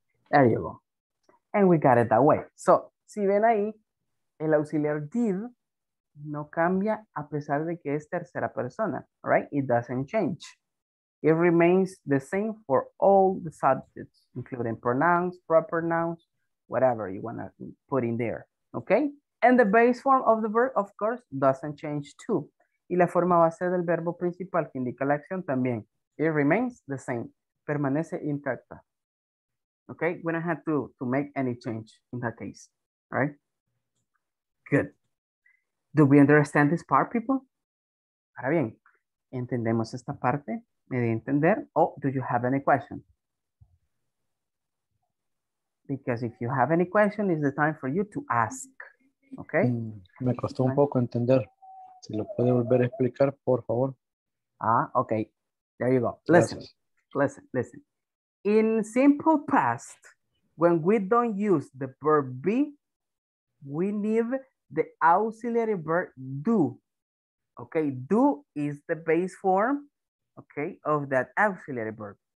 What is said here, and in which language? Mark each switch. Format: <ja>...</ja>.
<en>There you go. And we got it that way. So,</en> <es>si ven ahí, el auxiliar did no cambia a pesar de que es tercera persona, right?</es> <en>It doesn't change. It remains the same for all the subjects, including pronouns, proper nouns, whatever you want to put in there, okay? And the base form of the verb, of course, doesn't change too.</en> <es>Y la forma base del verbo principal que indica la acción también.</es> <en>It remains the same.</en> <es>Permanece intacta.</es> <en>Okay? We don't have to make any change in that case, right? Good. Do we understand this part, people?</en> <es>Ahora bien, ¿entendemos esta parte? ¿Me di a entender?</es> <en>Oh, do you have any question? Because if you have any question, it's the time for you to ask. Okay?</en> <es>Me costó un poco entender. Si lo puede volver a explicar, por favor.</es> <en>Ah, okay. There you go. Listen, listen. In simple past, when we don't use the verb be, we need the auxiliary verb do. Okay, do is the base form, okay, of that auxiliary verb.</en>